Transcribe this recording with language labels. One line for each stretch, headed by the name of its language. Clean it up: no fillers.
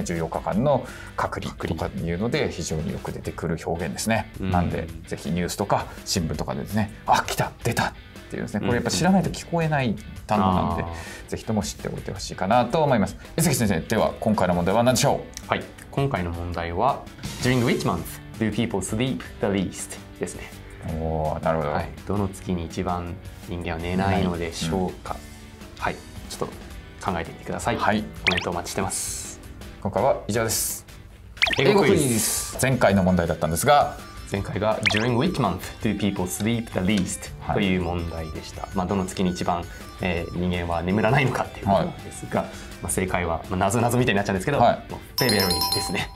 Japanese: うん、14日間の隔離とかっていうので非常によく出てくる表現ですね。うん、なんでぜひニュースとか新聞とかでですね、あ、来た、出たっていうですね、これやっぱ知らないと聞こえない単語なんで、うんうん、ぜひとも知っておいてほしいかなと思います。伊崎先生、では今回の問題は何でしょう。はい、今回の問題は
English: During which month do people sleep the least
Japanese: ですね。おー、なるほど。はい、どの月に一番人間は寝ないのでしょうか。うん、はい、ちょっと考えてみてください。はい、コメントお待ちしてます。今回は以上です。英語クイズ。前回の問題だったんですが、前回が
English: During which month do people sleep the least
Japanese: という問題でした。はい、まあ、どの月に一番、人間は眠らないのかっていうことなんですが、はい、まあ、正解は、まあ、謎々みたいになっちゃうんですけど、はい、February ですね。